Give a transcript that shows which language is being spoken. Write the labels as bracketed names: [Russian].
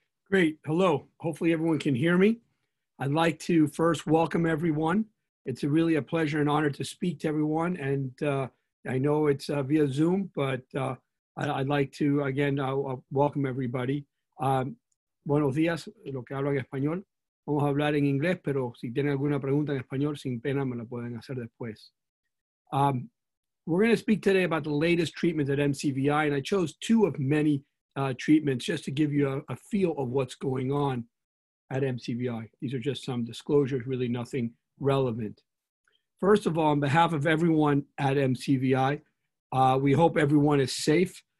[English] Great, hello. Hopefully everyone can hear me. I'd like to first welcome everyone. It's really a pleasure and honor to speak to everyone. And I know it's via Zoom, but I'd like to, again, welcome everybody. [Spanish] Buenos días, lo que hablo en español. Vamos a hablar en inglés, pero si tienen alguna pregunta en español, sin pena, me la pueden hacer después. [English] We're going to speak today about the latest treatments at MCVI, and I chose two of many treatments just to give you a feel of what's going on at MCVI. These are just some disclosures, really nothing relevant. First of all, on behalf of everyone at MCVI, we hope everyone is safe.